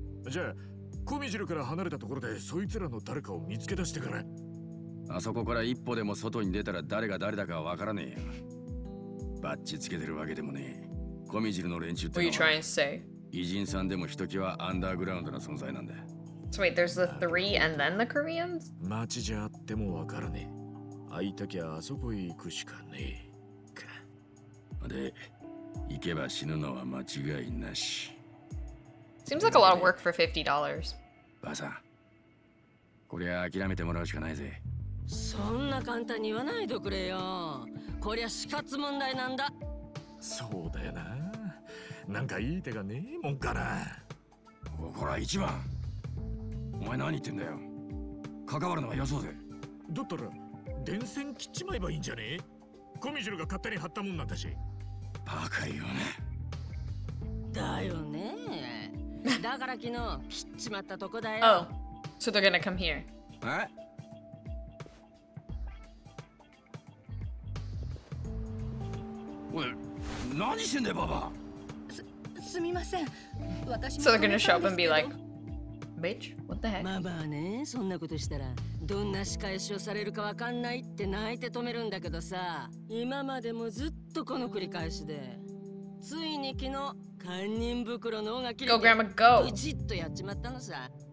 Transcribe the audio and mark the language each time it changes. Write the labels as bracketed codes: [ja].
[ja] じゃあコミジルから離れたところでそいつらの誰かを見つけ出してから。あそこから一歩でも外に出たら誰が誰だかわからねえよ。バッチつけてるわけでもねえ。コミジルの連中ってのは [en] What are you trying to say? [ja] 偉人さんでもひときわアンダーグラウンドな存在なんだ。 [en] So wait, there's the three and then the Koreans? [ja] 街じゃあってもわからねえ。会いたきゃあそこへ行くしかねえか。で行けば死ぬのは間違いなし。 [en] Seems like a lot of work for $50. [ja] ばあさん、これは諦めてもらうしかないぜ。そんな簡単に言わないでくれよ。こりゃ死活問題なんだ。そうだよな。なんかいい手がねえもんかな。ここら一番。お前何言ってんだよ。関わるのはよそうぜ。だったら電線切っちまえばいいんじゃねえ。コミジュルが勝手に貼ったもんなんだし。バカよね。だよね。だから昨日切っちまったとこだよ。 [en] Oh, so they're gonna come here. [ja] え？おい、何してんだよババ。すみません。私も。 [en] So they're gonna show up and be like, bitch, what the heck? [ja] ママね、そんなことしたらどんな仕返しをされるかわかんないって泣いて止めるんだけどさ、今までもずっとこの繰り返しで、ついに昨日堪忍袋の尾が切れて、 [en] Go grandma go。 [ja] ブチッとやっちまったのさ。